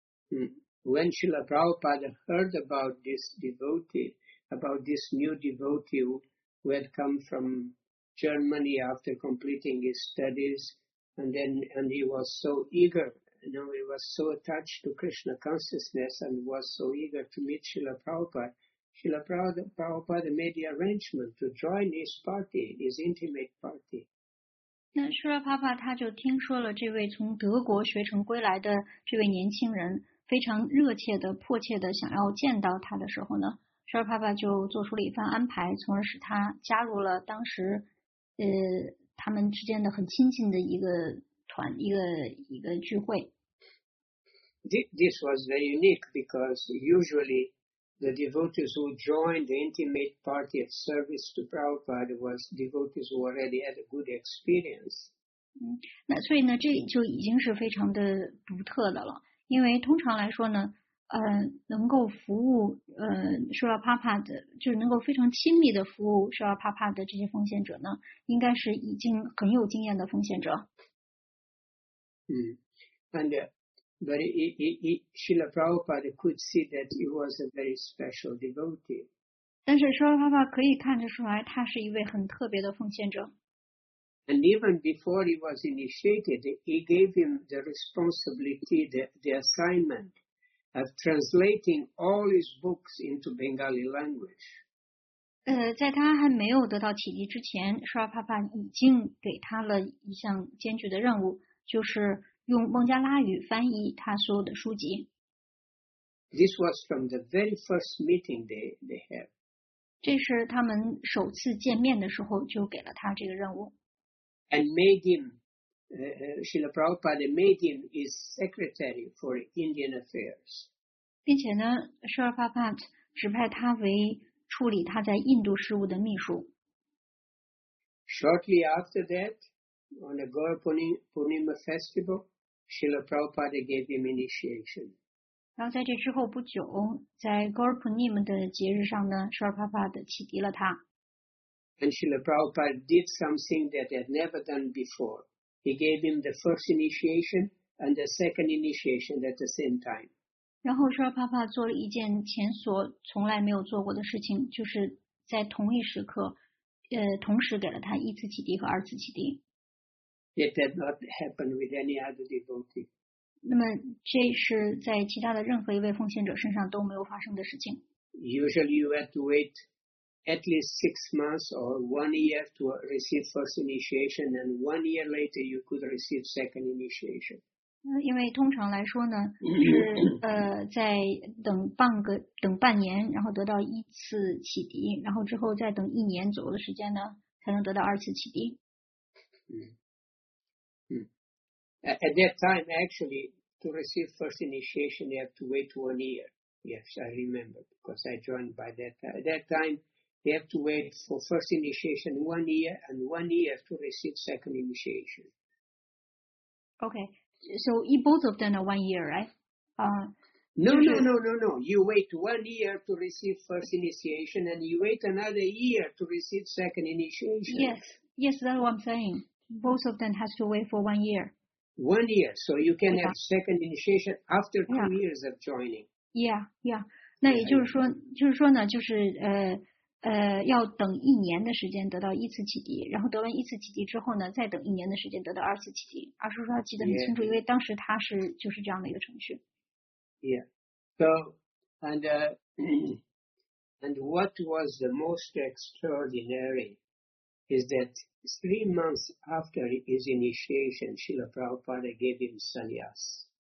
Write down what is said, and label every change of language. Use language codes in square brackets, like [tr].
[en] When Srila Prabhupada heard about this devotee, about this new devotee who had come from Germany after completing his studies, and he was so eager, you know, he was so attached to Krishna consciousness and was so eager to meet Srila Prabhupada, Srila Prabhupada made the arrangement to join his party, his intimate party. [zh] 那舍拉帕帕他就听说了这位从德国学成归来的这位年轻人非常热切的迫切的想要见到他的时候呢，舍拉帕帕就做出了一番安排，从而使他加入了当时他们之间的很亲近的一个聚会。 [en] This was very unique because usually the devotees who joined the intimate party of service to Prabhupada was devotees who already had a good experience. [zh] 那所以呢，这就已经是非常的独特的了。因为通常来说呢，能够服务Srila Prabhupada的，就是能够非常亲密的服务Srila Prabhupada的这些奉献者呢，应该是已经很有经验的奉献者。 [en] And but Srila Prabhupada could see that he was a very special devotee. [zh] 但是说爸爸可以看得出来他是一位很特别的奉献者。 [en] And even before he was initiated, he gave him the responsibility, the assignment of translating all his books into Bengali language. [zh] 在他还没有得到启迪之前，沙帕帕已经给他了一项艰巨的任务，就是用孟加拉语翻译他所有的书籍。 [en] This was from the very first meeting they had. [zh] 这是他们首次见面的时候就给了他这个任务。 [en] And made him, Srila Prabhupada made him his secretary for Indian affairs. [zh] 并且呢，沙帕帕指派他为处理他在印度事务的秘书。 [en] Shortly after that, on the Gaur Purnima festival, Srila Prabhupada gave him initiation. [zh] 然后在这之后不久，在 Gaur Purnima 的节日上呢，沙帕帕的启迪了他。 [en] And Srila Prabhupada did something that he had never done before. He gave him the first initiation and the second initiation at the same time. [zh] 然后沙帕帕做了一件前所从来没有做过的事情，就是在同一时刻，同时给了他一次启迪和二次启迪。 [en] It did not happen with any other devotee. [zh] 那么这是在其他的任何一位奉献者身上都没有发生的事情。 [en] Usually you had to wait. At least 6 months or 1 year to receive first initiation, and 1 year later you could receive second initiation. [zh] 因为通常来说呢，是在等半年，然后得到一次启迪，然后之后再等一年左右的时间呢，才能得到二次启迪。 [en] At that time, actually, to receive first initiation, you have to wait 1 year. Yes, I remember because I joined by that time. At that time. They have to wait for first initiation 1 year and 1 year to receive second initiation. Okay, so both of them are 1 year, right? No. You wait 1 year to receive first initiation and you wait another year to receive second initiation. Yes, that's what I'm saying. Both of them has to wait for 1 year. 1 year, so you can have second initiation after 2 years of joining. Yeah. [zh] 那也就是说呢，就是要等一年的时间得到一次启迪，然后得完一次启迪之后呢，再等一年的时间得到二次启迪。二叔说他记得很清楚，因为当时他是就是这样的一个程序。 [en] Yeah. So and what was the most extraordinary is that 3 months after his initiation, Srila Prabhupada gave him sannyas.